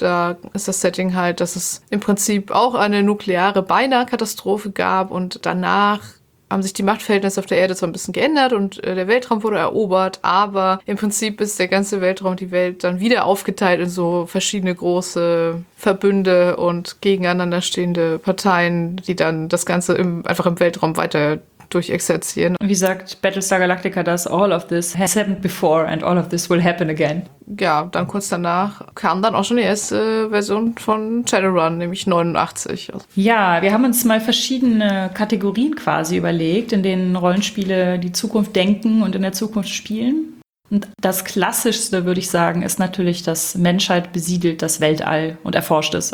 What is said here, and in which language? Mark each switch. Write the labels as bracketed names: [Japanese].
[German] Da ist das Setting halt, dass es im Prinzip auch eine nukleare Beinahe-Katastrophe gab und danach haben sich die Machtverhältnisse auf der Erde zwar ein bisschen geändert und der Weltraum wurde erobert, aber im Prinzip ist der ganze Weltraum, die Welt dann wieder aufgeteilt in so verschiedene große Verbünde und gegeneinander stehende Parteien, die dann das Ganze einfach im Weltraum weiter durchexerzieren. Wie sagt Battlestar Galactica das? [English] All of this has happened before and all of this will happen again. [German] Ja, dann kurz danach kam dann auch schon die erste Version von Shadowrun, nämlich 89. Ja, wir haben uns mal verschiedene Kategorien quasi überlegt, in denen Rollenspiele die Zukunft denken und in der Zukunft spielen. Und das Klassischste, würde ich sagen, ist natürlich, dass Menschheit besiedelt das Weltall und erforscht es.